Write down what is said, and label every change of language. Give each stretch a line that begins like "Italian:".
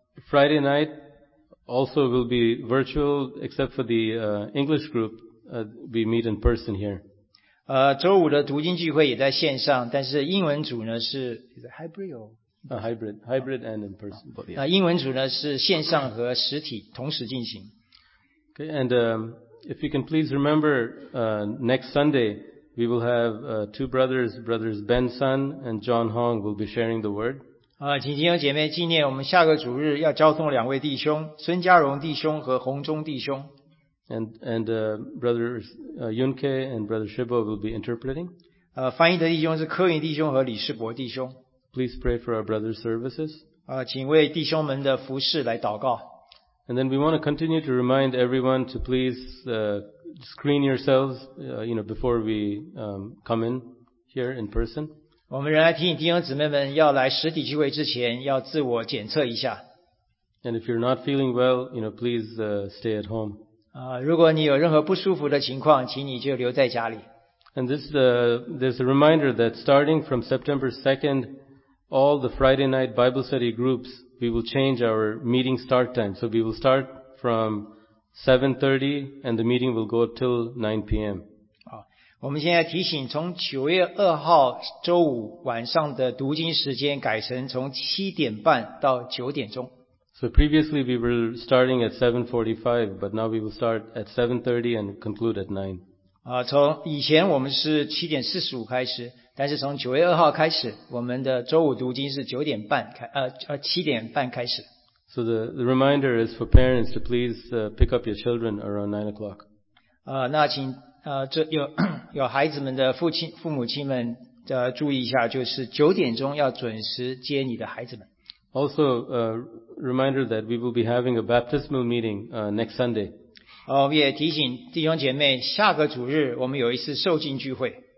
English: Friday night also will be virtual, except for the English group. We meet in person here.
Chinese: 周五的读经聚会也在线上，但是英文组呢是
English: is it hybrid or hybrid and in person.
Chinese: 英文组呢是线上和实体同时进行。
English: Okay, and if you can please remember, next Sunday we will have two brothers Ben Sun and John Hong will be sharing the word.
Chinese: 请弟兄姐妹纪念我们下个主日要交通两位弟兄，孙家荣弟兄和洪忠弟兄。
English: And brothers Yunke and brother Shibo will be interpreting.
Chinese: 翻译的弟兄是柯云弟兄和李世博弟兄。
English: Please pray for our brothers' services.
Chinese: 请为弟兄们的服事来祷告。
English: And then we want to continue to remind everyone to please screen yourselves, you know, before we come in here in person.
Chinese: 我们仍然提醒弟兄姊妹们要来实体聚会之前要自我检测一下。
English: And if you're not feeling well, you know, please stay at home.
Chinese: 如果你有任何不舒服的情况，请你就留在家里。
English: And there's a reminder that starting from September 2nd, all the Friday night Bible study groups, we will change our meeting start time. So we will start from 7:30 and the meeting will go till 9 p.m.
Chinese: 我们现在提醒从9月2号周五晚上的读经时间改成从7:30到9:00。
English: So previously we were starting at 7:45, but now we will start at 7:30 and conclude at 9.
Chinese: 从以前我们是7:45开始，但是从9月2号开始，我们的周五读经是7:30开始。
English: So the reminder is for parents to please pick up your children around 9 o'clock.
Chinese: 那请这有孩子们的父母亲们注意一下，就是9:00要准时接你的孩子们。
English: Also, reminder that we will be having a baptismal meeting next Sunday.
Chinese: 我也提醒弟兄姐妹，下个主日我们有一次受浸聚会。